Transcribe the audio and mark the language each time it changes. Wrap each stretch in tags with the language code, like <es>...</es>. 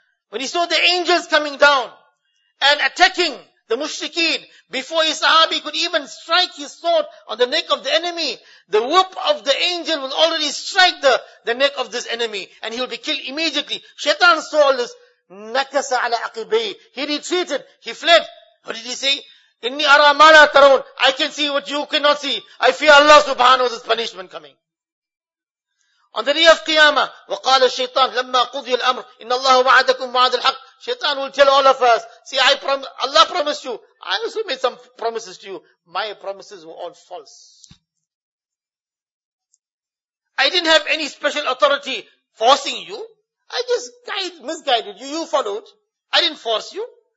<en>When he saw the angels coming down and attacking the mushrikeen, before his sahabi could even strike his sword on the neck of the enemy, the whoop of the angel will already strike the neck of this enemy, and he will be killed immediately. Shaitan saw all this.</en> <ar>Nakasa ala aqibay.</ar> <en>He retreated. He fled. What did he say?</en> <ar>Inni ara ma la tarawun.</ar> <en>I can see what you cannot see. I fear Allah subhanahu wa ta'ala's punishment coming. On the day of Qiyamah,</en> <ar>وَقَالَ الشَّيْطَانُ لَمَّا قُضِيَ الْأَمْرُ إِنَّ اللَّهُ وَعَدَكُمْ وَعَدَ الْحَقِّ.</ar> <en>Shaitan will tell all of us, see, Allah promised you. I also made some promises to you. My promises were all false. I didn't have any special authority forcing you. I just misguided you. You followed. I didn't force you.</en>